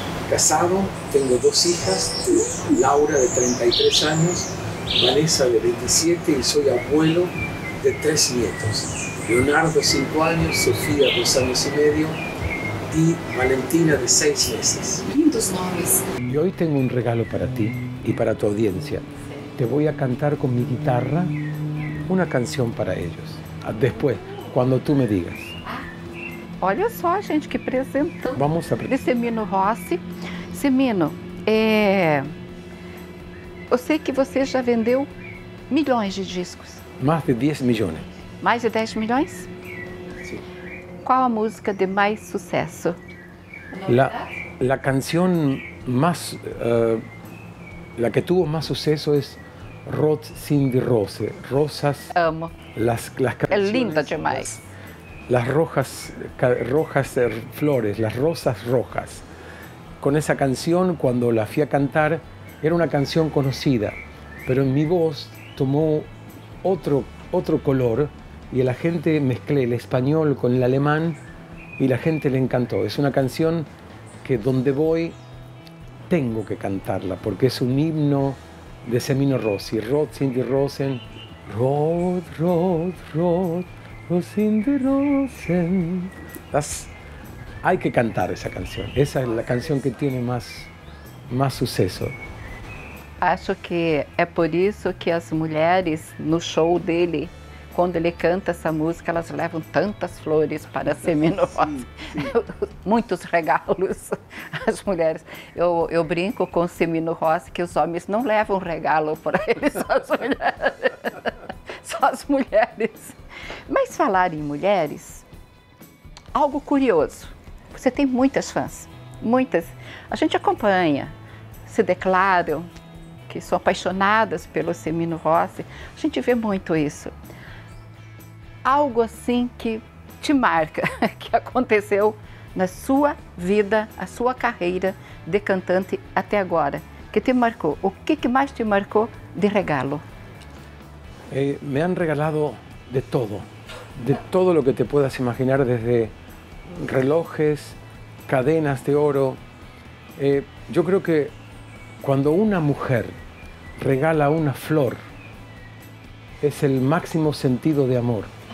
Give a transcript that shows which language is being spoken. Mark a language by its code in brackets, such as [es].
[es] Casado, tengo 2 hijas, Laura de 33 años, Vanessa de 27, y soy abuelo de 3 nietos, Leonardo 5 años, Sofía 2 años y medio y Valentina de 6 meses. Lindos nombres. Y hoy tengo un regalo para ti y para tu audiencia. Te voy a cantar con mi guitarra una canción para ellos. Después, cuando tú me digas. [pt] Ah, olha só, gente, que presentão. [es] Vamos a presentar. De Cemino Rossi. [pt] Cemino, eu sei que você já vendeu milhões de discos. Mais de 10 milhões. Mais de 10 milhões? Sim. Qual a música de mais sucesso? A canção mais... a que teve mais sucesso é [de] Rot sin die Rose. [pt] Rosas... Amo. [es] Las canciones, [pt] é linda demais. [es] As rojas, rojas flores, as rosas rojas. [pt] Com essa canção, quando [es] la fui a cantar, [pt] era uma canção conhecida, mas em minha voz tomou outro color, e a gente mezclou o espanhol com o alemão e a gente le encantou. É uma canção [es] que donde voy tengo que cantarla, porque es un himno de Semino Rossi. Rod, Cindy, Rosen. Rod, Rod, Rod, Rod, Cindy, Rosen. Las... Hay que cantar esa canción. Esa es la canción que tiene más suceso. [pt] Acho que é por isso que as mulheres no show dele, quando ele canta essa música, elas levam tantas flores para Semino Rossi. Muitos regalos às mulheres. Eu brinco com Semino Rossi que os homens não levam regalo para eles, as mulheres. Só as mulheres. Mas falar em mulheres, algo curioso. Você tem muitas fãs, muitas. A gente acompanha, se declaram que são apaixonadas pelo Semino Rossi. A gente vê muito isso. Algo assim que te marca, que aconteceu na sua vida, a sua carreira de cantante até agora, que te marcou? O que mais te marcou de regalo? [es] Me han regalado de todo lo que te puedas imaginar, desde relojes, cadenas de oro. Yo creo que cuando una mujer regala una flor, es el máximo sentido de amor.